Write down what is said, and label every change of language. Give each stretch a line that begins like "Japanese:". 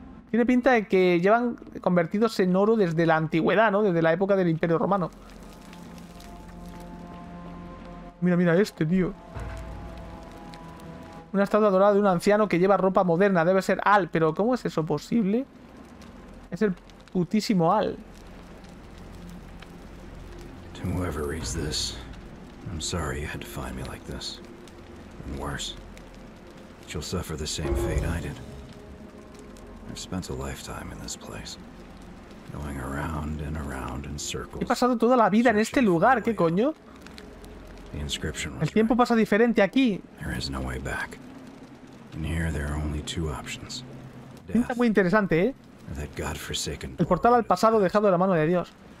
Spanish: Tiene pinta de que llevan convertidos en oro desde la antigüedad, ¿no? Desde la época del Imperio Romano. Mira este, tío. Una estatua dorada de un anciano que lleva ropa moderna. Debe ser Al. ¿Pero cómo es eso posible? Es el putísimo Al.
English: To whoever reads this, I'm sorry you had to find me like this. And worse, you'll suffer the same fate I did. I've spent a lifetime in this place. Going around and around in circles.
Spanish: He pasado toda la vida en este lugar, ¿qué coño?
English: The inscription was
Spanish: el tiempo pasa diferente aquí.
English: There is no way back. And here there are only two options.
Spanish: Está muy interesante, ¿eh? El portal al pasado dejado de la mano de Dios.